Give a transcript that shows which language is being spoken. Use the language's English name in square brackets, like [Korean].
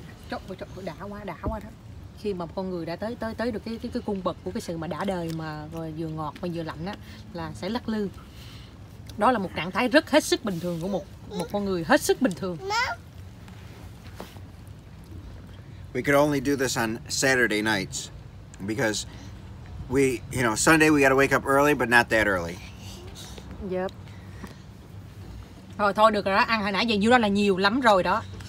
[Vietnamese] Trời, đã quá đó. Khi mà con người đã tới được cái cung bậc của cái sự mà đã đời mà vừa ngọt mà vừa lạnh á là sẽ lắc lư. Đó là một trạng thái rất hết sức bình thường của một con người hết sức bình thường. [English] We could only do this on Saturday nights because we, you know, Sunday we got to wake up early but not that early. Yep. [Vietnamese] Thôi được rồi đó, ăn hồi nãy giờ nhiêu đó là nhiều lắm rồi đó.